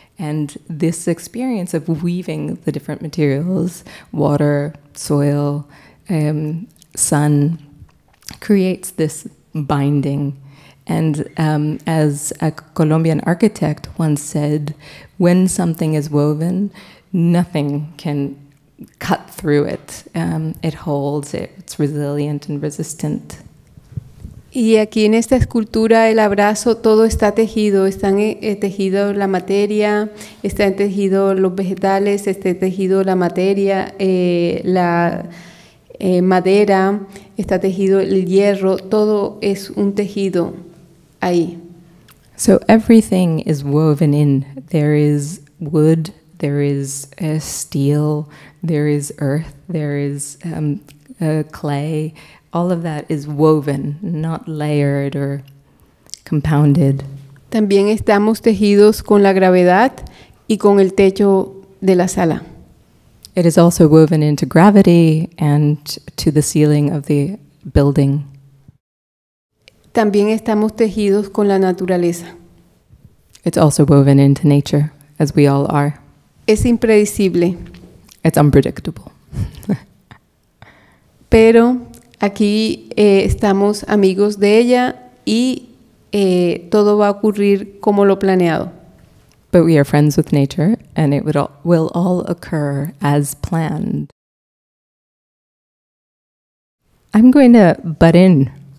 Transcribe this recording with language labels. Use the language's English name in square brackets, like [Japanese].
[English] And this experience of weaving the different materials, water, soil, sun, creates this binding. And as a Colombian architect once said, when something is woven, nothing can cut through it. It holds, it's resilient and resistant. [Spanish] Y aquí en esta escultura, el abrazo, todo está tejido. Están tejido la materia, están tejido los vegetales, está tejido la materia, la madera, está tejido el hierro, todo es un tejido ahí. [English] So everything is woven in. There is wood, there is steel, there is earth, there is clay. All of that is woven, not layered or compounded. [Spanish] También estamos tejidos con la gravedad y con el techo de la sala. [English] It is also woven into gravity and to the ceiling of the building. [Spanish] También estamos tejidos con la naturaleza. [English] It's also woven into nature, as we all are. [Spanish] Es impredecible. [English] It's unpredictable. [Spanish] Pero aquí estamos amigos de ella y todo va a ocurrir como lo planeado. [English] But we are friends with nature, and it will all occur as planned. I'm going to butt in.